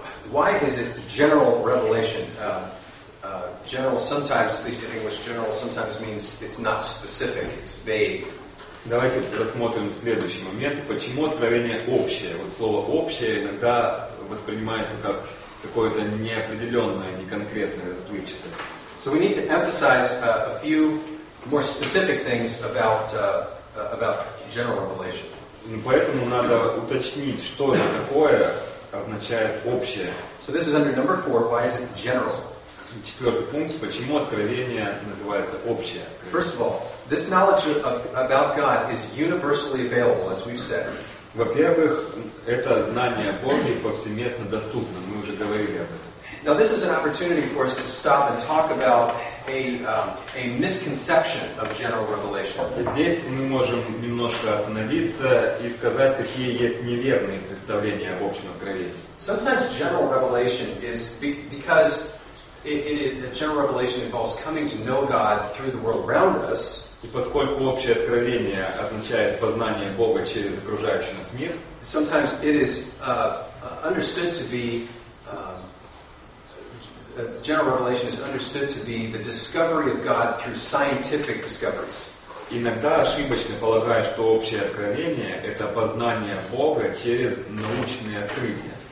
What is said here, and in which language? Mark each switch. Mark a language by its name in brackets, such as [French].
[English] Why is it general revelation? General sometimes, at least in English, general sometimes means it's not specific, it's vague. [Russian] Давайте рассмотрим следующий момент. Почему откровение общее? Вот слово общее иногда воспринимается как какое-то неопределенное, неконкретное, расплывчатое. [English] So we need to emphasize a few more specific things about general revelation. [Russian] Поэтому надо уточнить, что это такое означает общее. [English] So this is under number 4, why is it general? [Russian] Четвертый пункт, почему откровение называется общее? [English] First of all, this knowledge about God is universally available, as we've said. [Russian] Во-первых, это знание о Боге повсеместно доступно, мы уже говорили об этом. [English] Now this is an opportunity for us to stop and talk about a misconception of general revelation. [Russian] Здесь мы можем немножко остановиться и сказать, какие есть неверные представления об общем откровении. [English] Sometimes general revelation is because general revelation involves coming to know God through the world around us. [Russian] И поскольку общее откровение означает познание Бога через окружающий нас мир, [English] sometimes it is understood to be general revelation is understood to be the discovery of God through scientific discoveries. [Russian] Иногда ошибочно полагают, что общее откровение это познание Бога через научные открытия.